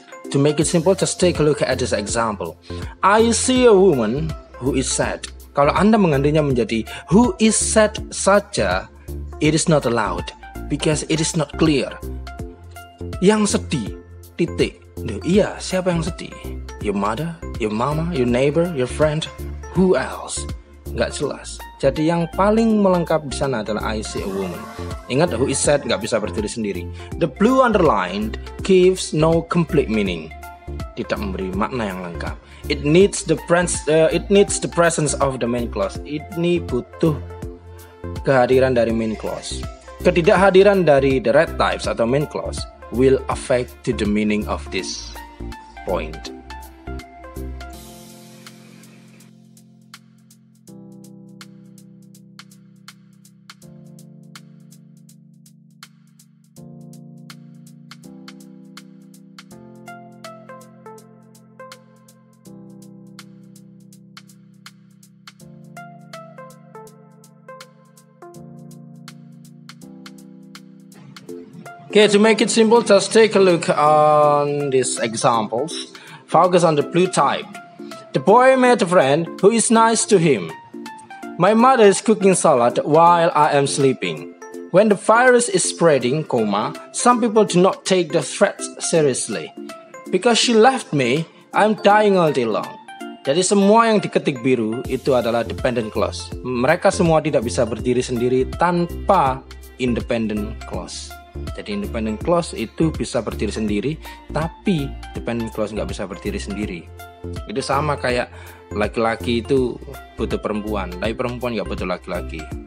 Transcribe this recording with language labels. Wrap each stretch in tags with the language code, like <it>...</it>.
<en>To make it simple, just take a look at this example. I see a woman who is sad.</en> <id>Kalau Anda menggantinya menjadi</id> <en>who is sad</en> <id>saja,</id> <en>it is not allowed because it is not clear.</en> <id>Yang sedih, titik. Duh, iya, siapa yang sedih?</id> <en>Your mother, your mama, your neighbor, your friend, who else?</en> <id>Nggak jelas. Jadi yang paling melengkap di sana adalah</id> <en>I see a woman.</en> <id>Ingat,</id> <en>who is sad</en> <id>nggak bisa berdiri sendiri.</id> <en>The blue underlined gives no complete meaning.</en> <id>Tidak memberi makna yang lengkap.</id> <en>It needs the presence of the main clause.</en> <id>Ini butuh kehadiran dari main clause. Ketidakhadiran dari</id> <en>the red types</en> <id>atau</id> <en>main clause will affect to the meaning of this point. Okay, to make it simple, just take a look on these examples. Focus on the blue type. The boy met a friend who is nice to him. My mother is cooking salad while I am sleeping. When the virus is spreading, comma, some people do not take the threats seriously. Because she left me, I'm dying all day long.</en> <id>Jadi semua yang diketik biru itu adalah dependent clause. Mereka semua tidak bisa berdiri sendiri tanpa independent clause. Jadi independent clause itu bisa berdiri sendiri, tapi dependent clause nggak bisa berdiri sendiri. Itu sama kayak laki-laki itu butuh perempuan, tapi perempuan nggak butuh laki-laki.</id>